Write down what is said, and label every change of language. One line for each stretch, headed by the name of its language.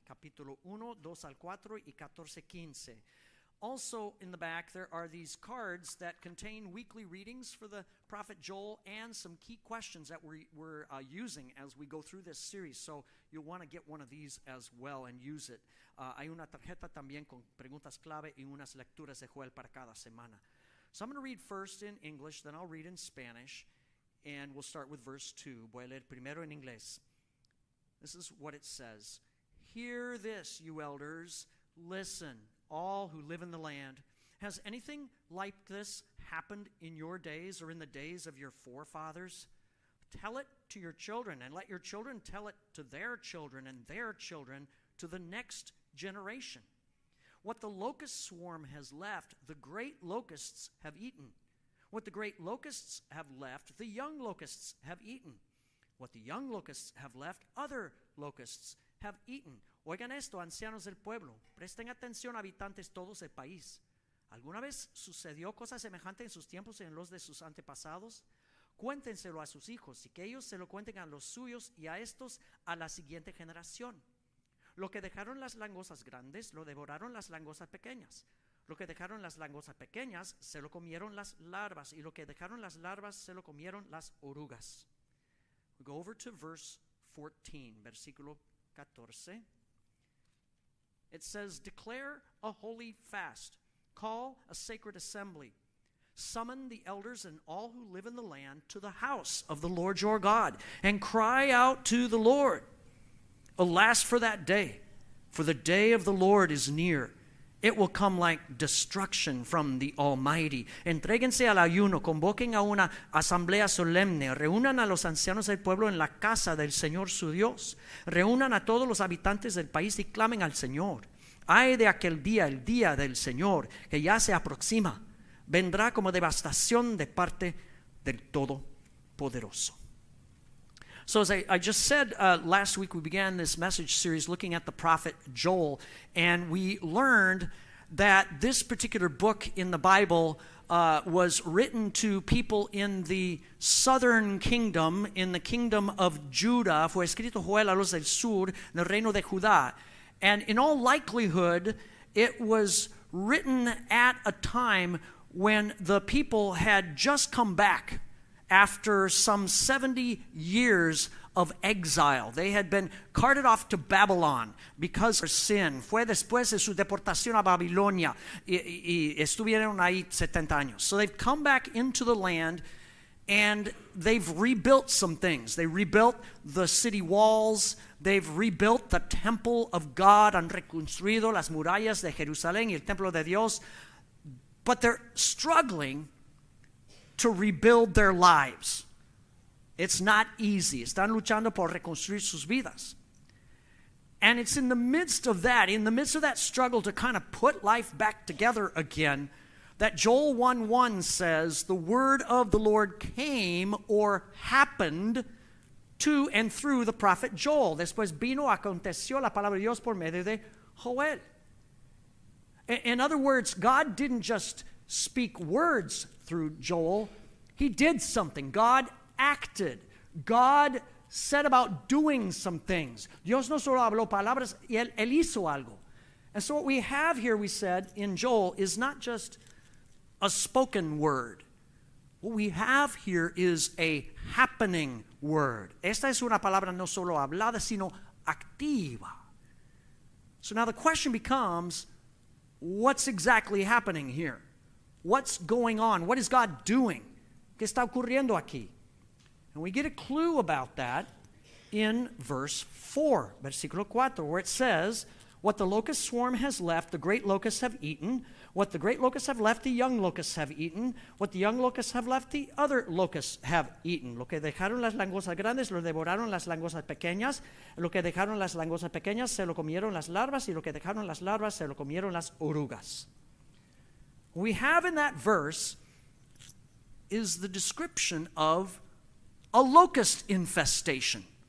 Spanish: Capítulo 1, 2 al 4 y 14, 15.
English: Also in the back, there are these cards that contain weekly readings for the prophet Joel and some key questions that we're using as we go through this series. So you'll want to get one of these as well and use it.
Spanish: Hay una tarjeta también con preguntas clave y unas lecturas de Joel para cada semana.
English: So I'm going to read first in English, then I'll read in Spanish, and we'll start with verse 2.
Spanish: Voy a leer primero en inglés.
English: This is what it says. Hear this, you elders. Listen, all who live in the land. Has anything like this happened in your days or in the days of your forefathers? Tell it to your children, and let your children tell it to their children and their children to the next generation. What the locust swarm has left, the great locusts have eaten. What the great locusts have left, the young locusts have eaten. What the young locusts have left, other locusts have eaten.
Spanish: Oigan esto, ancianos del pueblo. Presten atención, habitantes todos del país. ¿Alguna vez sucedió cosa semejante en sus tiempos y en los de sus antepasados? Cuéntenselo a sus hijos y que ellos se lo cuenten a los suyos y a estos a la siguiente generación. Lo que dejaron las langostas grandes, lo devoraron las langostas pequeñas. Lo que dejaron las langostas pequeñas, se lo comieron las larvas. Y lo que dejaron las larvas, se lo comieron las orugas.
English: We go over to verse 14,
Spanish: versículo 14.
English: It says, declare a holy fast. Call a sacred assembly. Summon the elders and all who live in the land to the house of the Lord your God. And cry out to the Lord. Alas for that day, for the day of the Lord is near. It will come like destruction from the Almighty.
Spanish: Entréguense al ayuno, convoquen a una asamblea solemne, reúnan a los ancianos del pueblo en la casa del Señor su Dios, reúnan a todos los habitantes del país y clamen al Señor. Ay de aquel día, el día del Señor, que ya se aproxima, vendrá como devastación de parte del Todopoderoso.
English: So as I just said, last week we began this message series looking at the prophet Joel, and we learned that this particular book in the Bible was written to people in the southern kingdom, in the kingdom of Judah.
Spanish: Fue escrito Joel a los del sur, en el reino de Judá.
English: And in all likelihood, it was written at a time when the people had just come back after some 70 years of exile. They had been carted off to Babylon because of sin.
Spanish: Fue después de su deportación a Babilonia y estuvieron ahí 70 años.
English: So they've come back into the land and they've rebuilt some things. They rebuilt the city walls. They've rebuilt the temple of God.
Spanish: Han reconstruido las murallas de Jerusalén y el templo de Dios.
English: But they're struggling to rebuild their lives. It's not easy.
Spanish: Están luchando por reconstruir sus vidas.
English: And it's in the midst of that, in the midst of that struggle to kind of put life back together again, that Joel 1:1 says, the word of the Lord came or happened to and through the prophet Joel.
Spanish: Después vino, aconteció la palabra de Dios por medio de Joel.
English: In other words, God didn't just speak words through Joel. He did something. God acted. God set about doing some things.
Spanish: Dios no solo habló palabras, y él hizo algo.
English: And so what we have here, we said, in Joel, is not just a spoken word. What we have here is a happening word.
Spanish: Esta es una palabra no solo hablada, sino activa.
English: So now the question becomes, what's exactly happening here? What's going on? What is God doing?
Spanish: ¿Qué está ocurriendo aquí?
English: And we get a clue about that in verse 4,
Spanish: versículo 4,
English: where it says, what the locust swarm has left, the great locusts have eaten. What the great locusts have left, the young locusts have eaten. What the young locusts have left, the other locusts have eaten.
Spanish: Lo que dejaron las langostas grandes, lo devoraron las langostas pequeñas. Lo que dejaron las langostas pequeñas, se lo comieron las larvas. Y lo que dejaron las larvas, se lo comieron las orugas.
English: We have in that verse is the description of a locust infestation.